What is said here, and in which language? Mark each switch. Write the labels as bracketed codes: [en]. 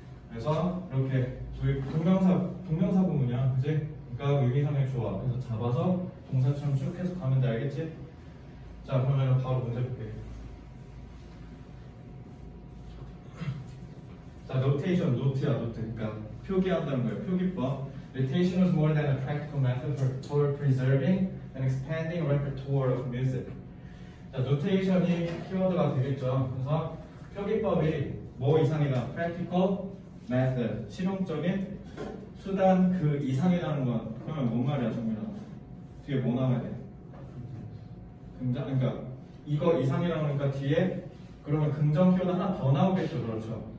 [ko] 그래서 이렇게 저희 동명사 부분이야, 그지? 그러니까 의미상의 조화. 그래서 잡아서 동사처럼 쭉 계속 가면 돼, 알겠지? 자, 그러면 바로 문제 볼게. 자, 노테이션, 노트야, 노트. 그러니까 표기한다는 거예요, 표기법. [en] Notation was more than a practical method for preserving and expanding a repertoire of music. [ko] 자, 노테이션이 키워드가 되겠죠. 그래서 표기법이 뭐 이상이다? Practical method, 실용적인 수단 그 이상이라는 건 그러면 뭔 말이야, 정민아? 뒤에 뭐 나와야 돼? 긍정? 그러니까 이거 이상이라는 거니까 뒤에 그러면 긍정 키워드 하나 더 나오겠죠, 그렇죠?